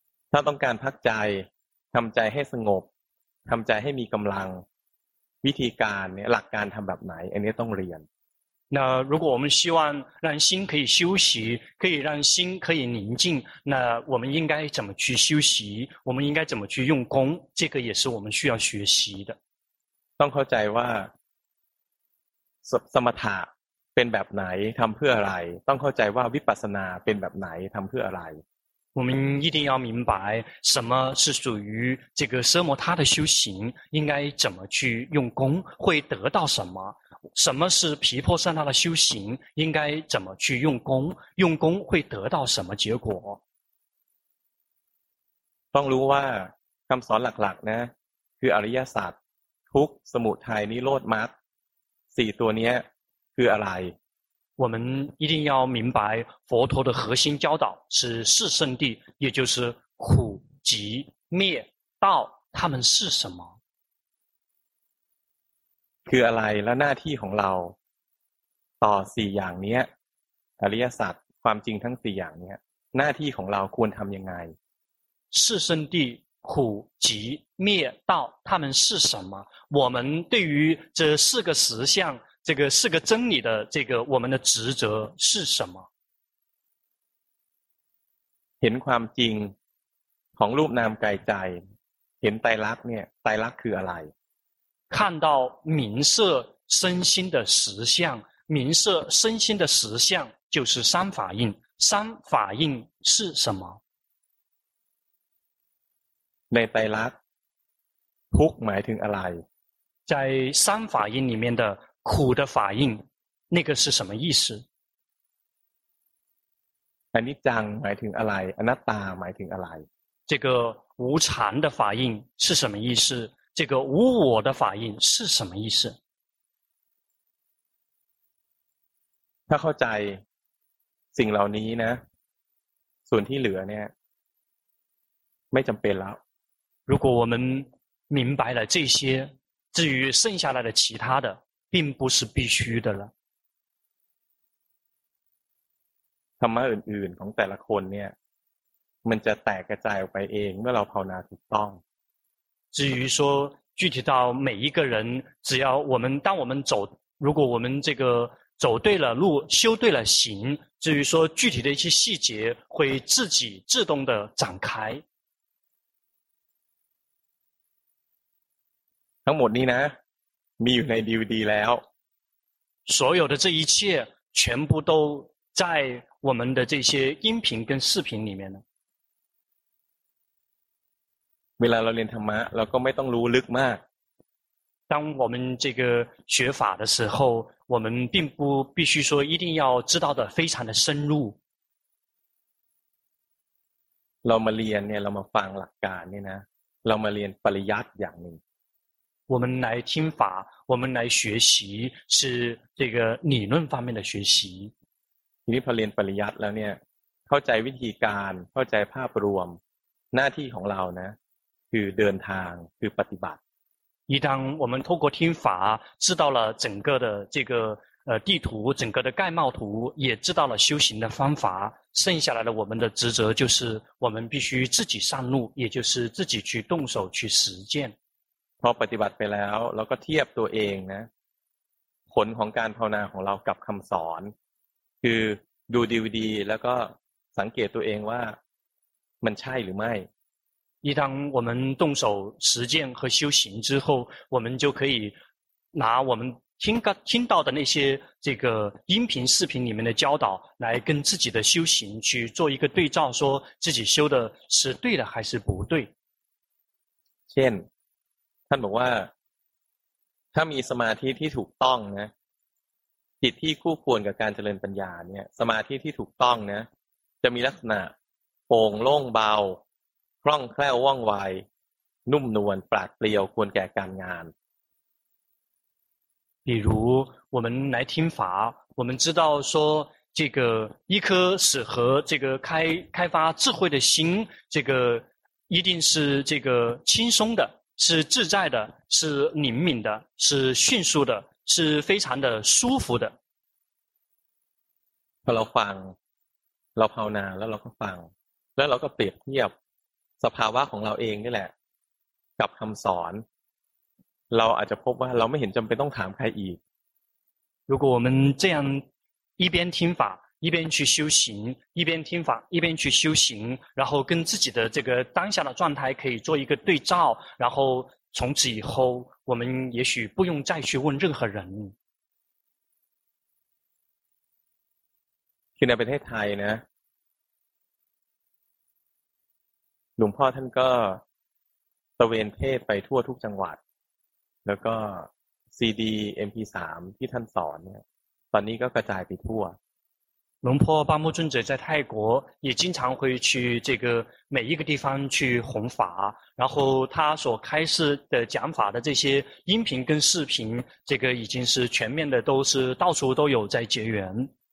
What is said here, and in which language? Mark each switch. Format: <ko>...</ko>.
<th>他ต้องการพักใจทำใจให้สงบทำใจให้มีกำลังวิธีการเนี่ยหลักการทำแบบไหนอันนี้ต้องเรียน</th> <zh>那如果我们希望让心可以休息，可以让心可以宁静，那我们应该怎么去休息？我们应该怎么去用功？这个也是我们需要学习的。</zh> <th>ต้องเข้าใจว่าสมถะเป็นแบบไหนทำเพื่ออะไรต้องเข้าใจว่าวิปัสสนาเป็นแบบไหนทำเพื่ออะไร</th> <zh>我们一定要明白什么是属于这个奢摩他的修行，应该怎么去用功，会得到什么。什么是毗婆舍那的修行？应该怎么去用功？用功会得到什么结果？</zh> <th>ต้องรู้ว่าคำสอนหลักๆนะคืออริยสัจทุกข์สมุทัยนิโรธมรรคสี่ตัวนี้คืออะไร？</th> <zh>我们一定要明白佛陀的核心教导是四圣谛，也就是苦、集、灭、道，他们是什么？</zh> <th>คืออะไรและหน้าที่ของเราต่อสี่อย่างนี้อริยสัจความจริงทั้งสี่อย่างนี้หน้าที่ของเราควรทำยังไง</th> <zh>四圣谛苦集灭道他们是什么我们对于这四个实相这个四个真理的这个我们的职责是什么</zh> <th>เห็นความจริงของรูปนามกายใจเห็นไตรลักษณ์เนี่ยไตรลักษณ์คืออะไร</th> <zh>看到名色身心的实相，名色身心的实相就是三法印。三法印是什么？</zh> <th>ในไตรลักษณ์ทุกหมายถึงอะไร？</th> <zh>在三法印里面的苦的法印，那个是什么意思？</zh> <th>อนิจจังหมายถึงอะไร？อนัตตาหมายถึงอะไร？</th> <zh>这个无常的法印是什么意思？这个无我的法印是什么意思？</zh> <th>ถ้าเข้าใจสิ่งเหล่านี้นะส่วนที่เหลือเนี่ยไม่จำเป็นแล้ว</th> <zh>如果我们明白了这些至于剩下来的其他的并不是必须的了</zh> <th>ธรรมะอื่นๆของแต่ละคนเนี่ยมันจะแตกกระจายออกไปเองเมื่อเราภาวนาถูกต้อง</th> <zh>至于说具体到每一个人只要我们当我们走如果我们这个走对了路修对了行至于说具体的一些细节会自己自动的展开</zh> <th>ทั้งหมดนี้นะมีอยู่ใน DVD แล้ว</th> <zh>所有的这一切全部都在我们的这些音频跟视频里面呢</zh> <th>เวลาเราเรียนธรรมะเราก็ไม่ต้องรู้ลึกมาก</th> <zh>当我们这个学法的时候我们并不必须说一定要知道的非常的深入</zh> <th>เรามาเรียนเนี่ยเรามาฟังหลักการเนี่ยนะเรามาเรียนปริยัติอย่างหนึ่ง</th> <zh>我们来听法我们来学习是这个理论方面的学习</zh> <th>ทีนี้พอเรียนปริยัติแล้วเนี่ยเข้าใจวิธีการเข้าใจภาพรวมหน้าที่ของเรานะคือเดินทางคือปฏิบัติ</th> <zh>一旦我们透过听法知道了整个的这个地图整个的概貌图也知道了修行的方法剩下来的我们的职责就是我们必须自己上路也就是自己去动手去实践</zh> <th>พอปฏิบัติไปแล้วเราก็เทียบตัวเองนะผลของการภาวนาของเรากับคำสอนคือดูดีๆแล้วก็สังเกตตัวเองว่ามันใช่หรือไม่</th> <zh>一旦我们动手实践和修行之后我们就可以拿我们听到的那些这个音频视频里面的教导来跟自己的修行去做一个对照说自己修的是对的还是不对</zh> <th>เช่นท่านบอกว่าถ้ามีสมาธิที่ถูกต้องนะจิตที่คู่ควรกับการเจริญปัญญาเนี่ยสมาธิที่ถูกต้องนะจะมีลักษณะโปร่งโล่งเบาคล่องแคล่วว่องไวนุ่มนวลปราดเปรียวควรแก่การงาน</th> <zh>比如我们来听法我们知道说这个一颗适合这个开发智慧的心这个一定是这个轻松的是自在的是灵敏的是迅速的是非常的舒服的</zh> <th>พอเราฟังเราภาวนาแล้วเราก็ฟังแล้วเราก็เปรียบเทียบสภาวะของเราเองนี่แหละกับคำสอนเราอาจจะพบว่าเราไม่เห็นจำเป็นต้องถามใครอีก</th> <zh>如果我们这样一边听法一边去修行一边听法一边去修行然后跟自己的这个当下的状态可以做一个对照然后从此以后我们也许不用再去问任何人</zh> <th>คือในประเทศไทยนะหลวงพ่อท่านก็ตะเวนเทศไปทั่วทุกจังหวัดแล้วก็ซีดี MP3 ที่ท่านสอนเนี่ยตอนนี้ก็กระจายไปทั่ว</th> <zh>龙坡巴木尊者在泰国也经常会去这个每一个地方去弘法然后他所开示的讲法的这些音频跟视频这个已经是全面的都是到处都有在结缘</zh>